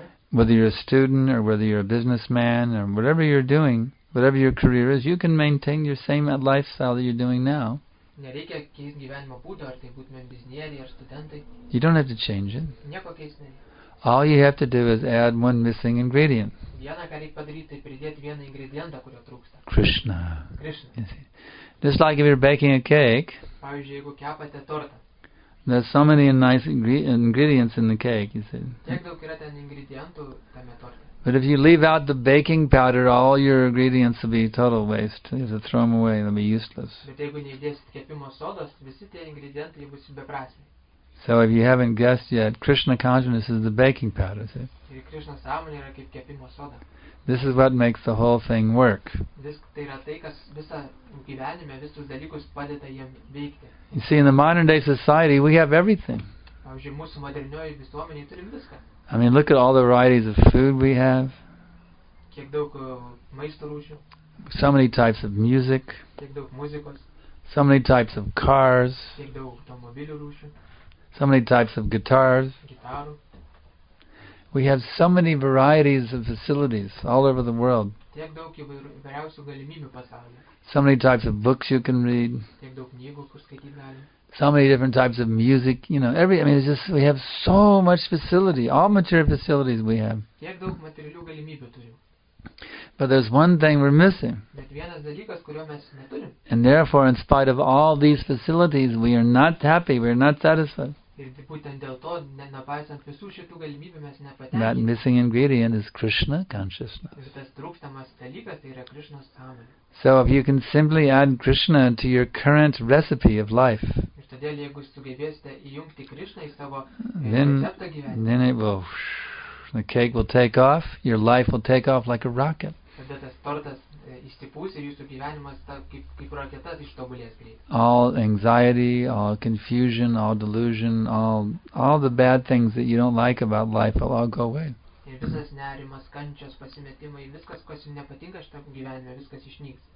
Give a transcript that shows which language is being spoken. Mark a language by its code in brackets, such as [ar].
[en] Whether you're a student or whether you're a businessman or whatever you're doing, whatever your career is, you can maintain your same lifestyle that you're doing now. [lt] Nereikia keisti gyvenimo būdo, ar tai būtumėm biznieriai ar studentai. [en] You don't have to change it. [lt] Nieko keisti. [en] All you have to do is add one missing ingredient. [lt] Vieną ką reikia padaryti, tai pridėti vieną ingredientą, kurio trūksta. [en] Krishna. [lt] Krishna. [en] Just like if you're baking a cake. [lt] Pavyzdžiui, jeigu kepate tortą. [en] There's so many nice ingredients in the cake, you see. [lt] Tiek daug yra ten ingredientų tame torte. [en] But if you leave out the baking powder, all your ingredients will be total waste. You have to throw them away, they'll be useless. [lt] Bet jeigu neįdėsite kepimo sodos, visi tie ingredientai bus beprasmiai. [en] So if you haven't guessed yet, Krishna consciousness is the baking powder, see? [lt] Ir Krishna sąmonė yra kaip kepimo soda. [en] This is what makes the whole thing work. [lt] Tai yra tai, kas visą gyvenime, visus dalykus padeda jiem veikti. [en] You see, in the modern day society, we have everything. [lt] Pavyzdžiui, mūsų modernioji visuomenė turim viską. [en] I mean, look at all the varieties of food we have. [lt] Kiek daug maisto rūšių. [en] So many types of music. [lt] Kiek daug muzikos. [en] So many types of cars. [lt] Kiek daug automobilių rūšių. [en] So many types of guitars. [lt] Gitaru. [en] We have so many varieties of facilities all over the world. [lt] Tiek daug įvairiausių galimybių pasaulyje. [en] So many types of books you can read. [lt] Tiek daug knygų, kur skaityti galima. [en] So many different types of music, you know, it's just, we have so much facility, all material facilities we have. [lt] Tiek daug materialių galimybių turim. [en] But there's one thing we're missing. [lt] Bet vienas dalykas, kurio mes neturim. [en] And therefore, in spite of all these facilities, we are not happy, we are not satisfied. [lt] Ir būtent dėl to, nepaisant visų šitų galimybių, mes nepatenkinti. [en] That missing ingredient is Krishna consciousness. [lt] Ir tas trūkstamas dalykas, tai yra Krishna sąmonė. [en] So if you can simply add Krishna to your current recipe of life, [lt] ir todėl, jeigu sugebėsite įjungti Krishna į savo receptą gyvenimą, [en] then it will, the cake will take off, your life will take off like a rocket. [lt] Tada tas tortas įstipūs ir jūsų gyvenimas kaip raketas ištobulės greit. [en] All anxiety, all confusion, all delusion, all the bad things that you don't like about life will all go away. [lt] Ir visas nerimas, kančios, pasimetimai, viskas, kas jums nepatinka šitam gyvenime, viskas išnyks.